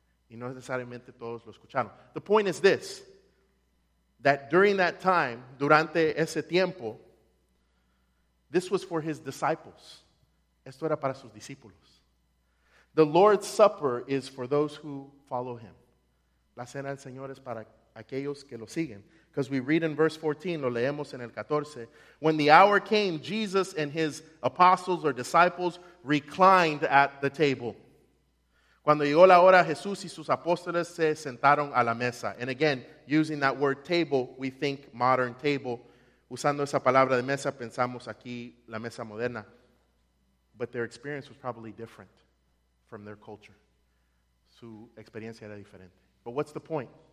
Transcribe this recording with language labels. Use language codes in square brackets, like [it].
[es] Y no necesariamente todos lo escucharon. [en] The point is this, that during that time, [es] durante ese tiempo, [en] this was for his disciples. [es] Esto era para sus discípulos. [en] The Lord's Supper is for those who follow him. [es] La cena del Señor es para aquellos que lo siguen. [en] Because we read in verse 14, [es] lo leemos en el 14, [en] when the hour came, Jesus and his apostles or disciples reclined at the table. [es] Cuando llegó la hora, Jesús y sus apóstoles se sentaron a la mesa. [en] And again, using that word table, we think modern table. [es] Usando esa palabra de mesa, pensamos aquí la mesa moderna. [en] But their experience was probably different from their culture. [es] Su experiencia era diferente. [en] But what's the point?